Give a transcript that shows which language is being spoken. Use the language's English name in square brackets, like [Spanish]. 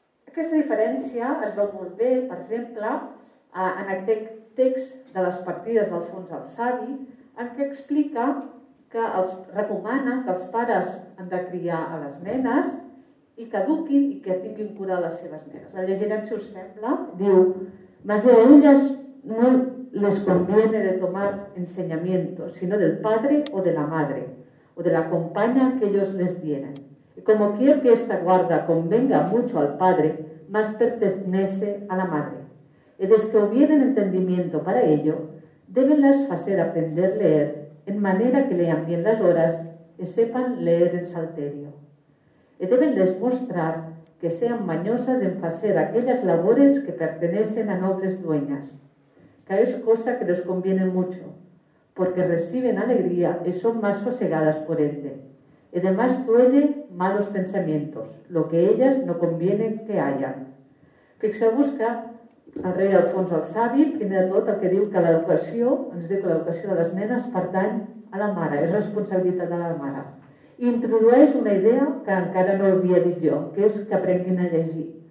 [Catalan] Aquesta diferència es veu molt bé, per exemple, en aquest text de les partides d'Alfons el Savi, en què explica que els recomana que els pares han de criar a les nenes i que eduquin i que tinguin cura de les seves nenes. La llegirem, si us sembla, diu: [Spanish] «Mas a ellas no les conviene de tomar enseñamiento, sino del padre o de la madre, o de la compañía que ellos les dieren. Y como quiera que esta guarda convenga mucho al padre, más pertenece a la madre. Y desque hubieren entendimiento para ello, débenlas hacer aprender leer, en manera que lean bien las horas y sepan leer en salterio. Y débenles mostrar que sean mañosas en hacer aquellas labores que pertenecen a nobles dueñas, que es cosa que les conviene mucho, porque reciben alegría y son más sosegadas por ende. Y demás duele malos pensamientos, lo que ellas no conviene que hayan». [Catalan] Fixeu-vos que el rei Alfons el Savi, primer de tot, el que diu que l'educació, ens diu que l'educació de les nenes pertany a la mare, és responsabilitat de la mare. I introdueix una idea que encara no havia dit jo, que és que aprenguin a llegir.